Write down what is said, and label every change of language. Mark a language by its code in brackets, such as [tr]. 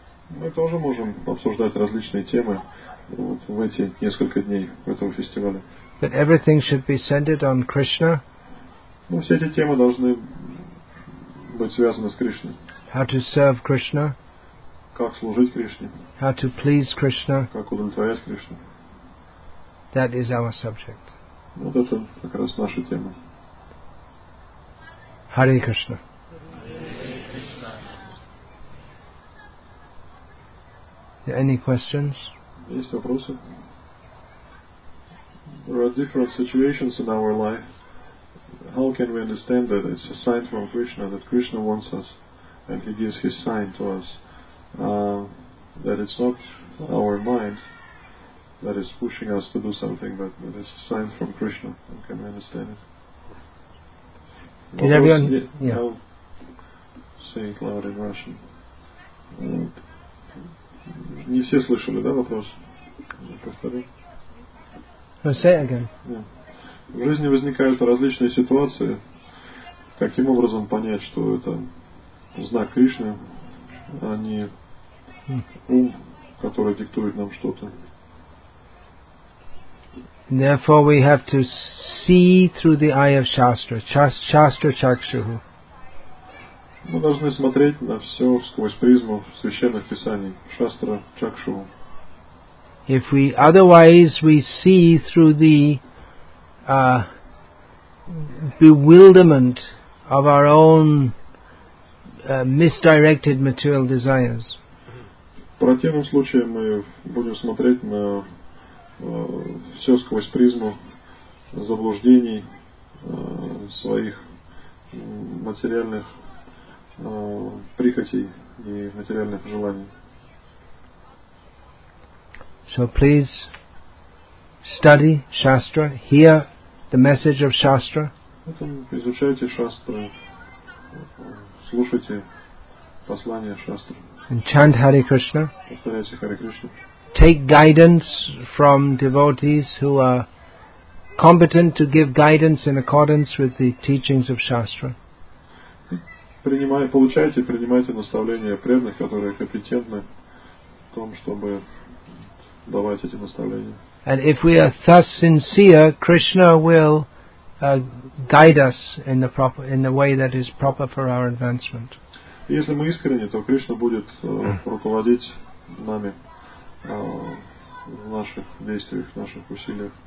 [ru] Мы тоже можем обсуждать различные темы вот, в эти несколько дней этого фестиваля. [en] But everything should be centered on Krishna. [ru] Ну, все эти темы должны быть связаны с Кришной. [en] How to serve Krishna. [ru] Как служить Кришне. [en] How to please Krishna. [ru] Как удовлетворять Кришну. [en] That is our subject. [ru] Вот это как раз наша тема. [en] Hare Krishna. Any questions? [ru] Есть вопросы? [en] There are different situations in our life. How can we understand that it's a sign from Krishna, that Krishna wants us and he gives his sign to us, that it's not our mind that is pushing us to do something, but it is a sign from Krishna? How can we understand it? Did everyone? Yeah. I'll say it loud in Russian. [ru] Не все слышали, да, вопрос? Повторю. [en] Say it again. [ru] В жизни возникают различные ситуации. Каким образом понять, что это знак Кришны, а не ум, который диктует нам что-то? [en] Therefore, we have to see through the eye of Shastra, Shastra Chakshuhu. [ru] Мы должны смотреть на все сквозь призму священных писаний, Шастра Чакшуху. [en] If we otherwise we see through the bewilderment of our own misdirected material desires. [ru] В противном случае мы будем смотреть на все сквозь призму заблуждений своих материальных прихотей и материальных желаний. [en] So please study Shastra, hear the message of Shastra. [ru] Изучайте Шастру, слушайте послание Шастры. [en] And chant Hare Krishna. [ru] Повторяйте Hare Krishna. [en] Take guidance from devotees who are competent to give guidance in accordance with the teachings of Shastra. [ru] Получайте наставления преданных, которые компетентны в том, чтобы давать эти наставления. [en] And if we are thus sincere, Krishna will guide us in the way that is proper for our advancement. [ru] Если мы искренни, то Кришна будет руководить нами в наших действиях, в наших усилиях.